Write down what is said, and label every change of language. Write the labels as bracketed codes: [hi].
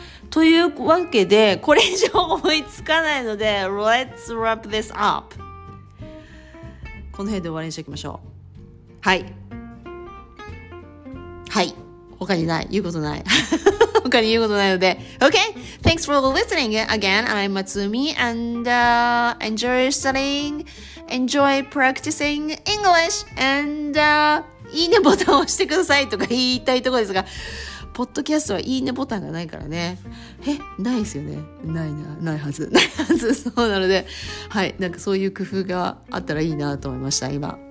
[ja] というわけで、これ以上思いつかないので、 [en] Let's wrap this up! [ja] この辺で終わりにしておきましょう。はい。はい。他にない。言うことない。他に言うことないので。 [en] Okay! Thanks for listening again. I'm Matsumi and enjoy studying, enjoy practicing English and [ja] いいねボタンを押してくださいとか言いたいところですが、ポッドキャストはいいねボタンがないからね。ないですよね。ないはず。そうなので、はい。なんかそういう工夫があったらいいなと思いました、今。